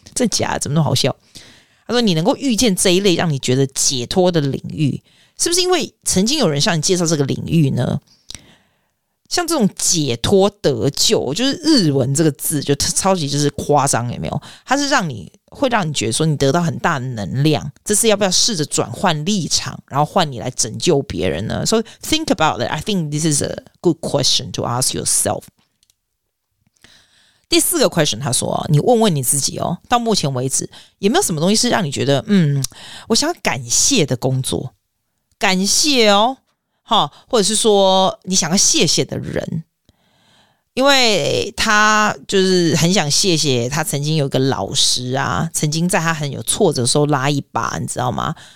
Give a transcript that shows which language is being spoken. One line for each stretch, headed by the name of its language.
Chinese: 这假的，怎么那么好笑？他说，你能够遇见这一类让你觉得解脱的领域，是不是因为曾经有人向你介绍这个领域呢？像这种解脱得救，就是日文这个字就超级就是夸张，有没有？它是让你会让你觉得说你得到很大的能量，这次要不要试着转换立场，然后换你来拯救别人呢？
English: So think about that. I think this is a good question to ask yourself.
Chinese: 第四个 question， 他说，你问问你自己哦，到目前为止有没有什么东西是让你觉得我想要感谢的工作，感谢哦，或者是说你想要谢谢的人。因为他就是很想谢谢他曾经有一个老师啊，曾经在他很有挫折的时候拉一把，你知道吗？